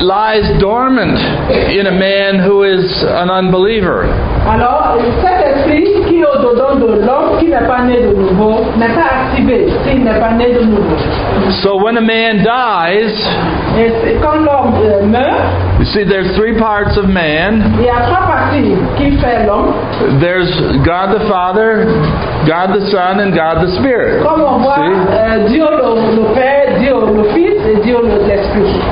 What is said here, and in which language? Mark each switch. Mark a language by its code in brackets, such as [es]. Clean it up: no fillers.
[en] lies dormant in a man who is an unbeliever. [fr] Alors, cet esprit qui est au-dedans de l'homme qui n'est pas né de nouveau n'est pas activé s'il n'est pas né de nouveau. [en] So when a man dies, [fr] et quand l'homme meurt, [en] you see, there's three parts of man. [fr] Il y a trois parties qui fait l'homme. [en] There's God the Father, God the Son, and God the Spirit. [fr] Comme on voit, Dieu le Père, Dieu le Fils et Dieu l'Esprit.